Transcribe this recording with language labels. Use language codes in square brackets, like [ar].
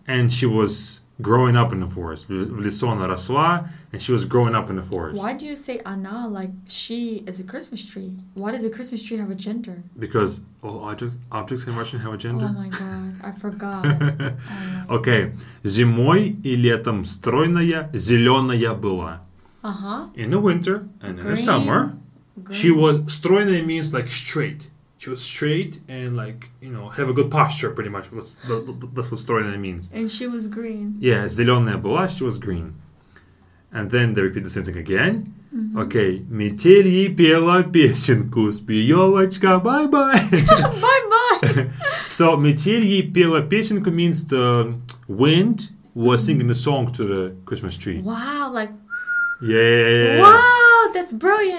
[en] And she was growing up in the forest. В лесу она росла, and she was growing up in the forest. Why do you say она, like she is a Christmas tree? Why does a Christmas tree have a gender? Because all objects in Russian have a gender. Oh my God, I forgot. Okay. [ru] Зимой и летом стройная зеленая была. [en] Uh-huh. In the winter and green. In the summer. Green. She was, стройная means like straight. She was straight and like, you know, have a good posture pretty much. That's what стройная means. And she was green. Yeah, зеленая была, she was green. And then they repeat the same thing again. Mm-hmm. Okay. [ru] Метель ей пела песенку, спи, елочка, бай-бай. Бай-бай. [en] So, метель ей пела песенку means the wind was singing the song to the Christmas tree. Wow, like. Yeah. Wow. That's brilliant.